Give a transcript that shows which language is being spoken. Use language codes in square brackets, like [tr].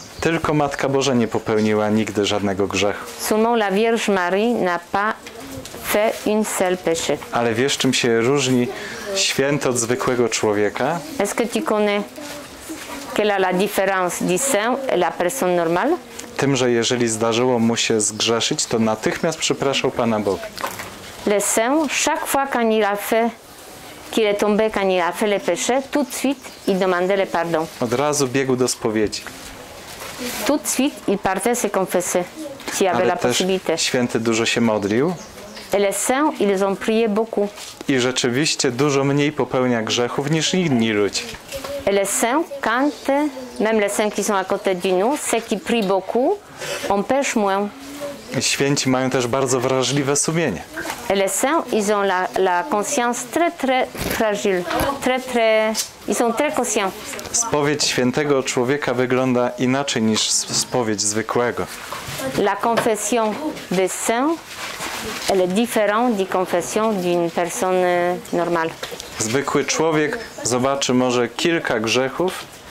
[pl] Tylko Matka Boża nie popełniła nigdy żadnego grzechu. [fr] Seulement la Vierge Marie n'a pas fait une seule péché. [pl] Ale wiesz, czym się różni święty od zwykłego człowieka? [fr] Est-ce que tu connais quelle est la différence du saint et la personne normale? [pl] Tym, że jeżeli zdarzyło mu się zgrzeszyć, to natychmiast przepraszał Pana Boga. [fr] Le saint, chaque fois qu'il est tombé, quand il a fait le péché, tout de suite il demandait le pardon. [pl] Od razu biegł do spowiedzi. [fr] Tout de suite il partait se confesser, s'il avait la possibilité. [pl] Święty dużo się modlił. [fr] Et le saint, ils ont prié beaucoup. [pl] I rzeczywiście dużo mniej popełnia grzechów niż inni ludzie. [fr] Et le saint, quand même les saints qui sont à côté de nous, ceux qui prient beaucoup, on pêche moins. [pl] Święci mają też bardzo wrażliwe sumienie. [fr] Les saints, ils ont la conscience très très fragile, ils sont très conscients. [pl] Spowiedź świętego człowieka wygląda inaczej niż spowiedź zwykłego. [fr] La confession des saints, elle est différente de confession d'une personne normale. [pl] Zwykły człowiek zobaczy może kilka grzechów.